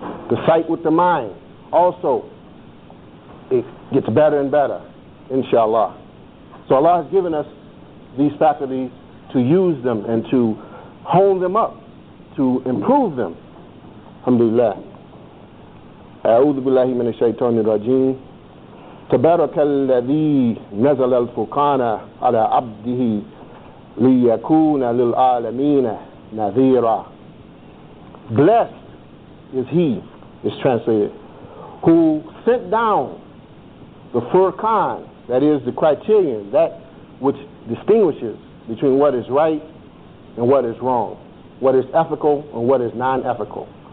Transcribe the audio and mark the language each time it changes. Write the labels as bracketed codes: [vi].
[en] The sight with the mind also, it gets better and better, inshallah. So Allah has given us these faculties to use them and to hone them up, to improve them. Alhamdulillah. [ar] أعوذ بالله من الشيطان الرجيم تبارك الذي نزل الفرقان على عبده ليكون للعالمين نذيرا. [en] Blessed is he, is translated, who sent down the Furqan, that is the criterion, that which distinguishes between what is right and what is wrong, what is ethical and what is non-ethical.